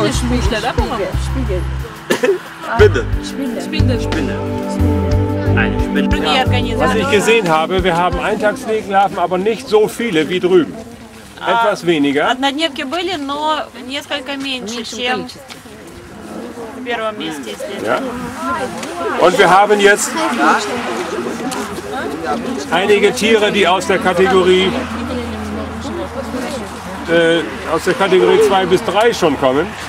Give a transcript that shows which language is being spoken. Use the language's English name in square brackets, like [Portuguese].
[German] mich schnell ab. Spinne. Ja. Was ich gesehen habe, wir haben Eintagsfliegenlarven, aber nicht so viele wie drüben. Etwas weniger. [Russian] Однодневки были, но несколько меньше, чем в первом месте, естественно. [German] Und wir haben jetzt einige Tiere, die aus der Kategorie 2 bis 3 schon kommen.